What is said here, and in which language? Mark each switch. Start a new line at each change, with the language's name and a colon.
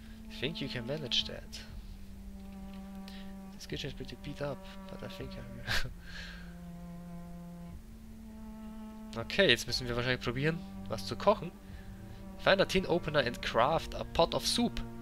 English: I think you can manage that. This kitchen is pretty beat up, but I think I'm...
German: Okay, jetzt müssen wir wahrscheinlich probieren, was zu kochen.
English: Find a tin opener and craft a pot of soup.